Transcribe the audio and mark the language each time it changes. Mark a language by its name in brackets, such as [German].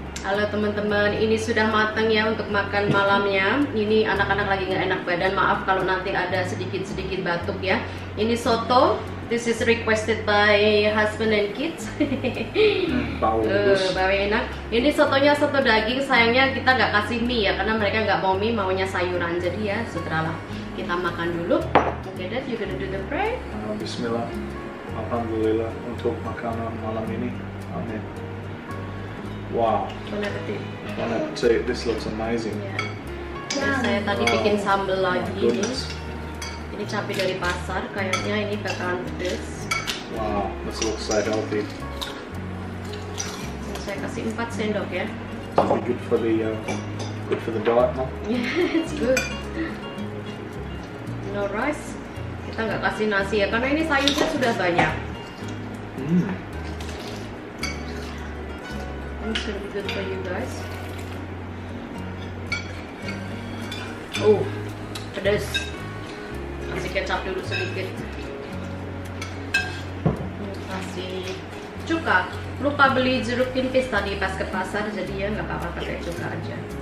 [Indonesian] Halo teman-teman, ini sudah matang ya untuk makan malamnya. Ini anak-anak lagi gak enak badan, maaf kalau nanti ada sedikit-sedikit batuk ya. Ini soto, [English] this is requested by husband and kids. [Indonesian] Bau enak. Ini sotonya soto daging, sayangnya kita gak kasih mie ya, karena mereka gak mau mie, maunya sayuran. Jadi ya, setelah kita makan dulu. [English] Okay, Dad, you gonna do the prayer? [Indonesian] Bismillah, alhamdulillah untuk makanan malam ini. [English] on here. Wow. Bon appetit. Bon appetit. This looks amazing. [Indonesian] Yeah. Saya tadi bikin sambal lagi nih. Ini cabai dari pasar, kayaknya ini bakalan pedes. [English] Wow, this looks so healthy. [Indonesian] Saya kasih 4 sendok ya. [English] Be good for the good for the diet, huh? Yeah, it's good. No rice. [Indonesian] Kita nggak kasih nasi ya, karena ini sayurnya sudah banyak. [English] This is gonna be good for you guys. [Indonesian] Oh, pedes. Kasih kecap dulu sedikit. Kasih cuka. Lupa beli jeruk nipis tadi pas ke pasar, jadi ya nggak apa-apa pakai cuka aja.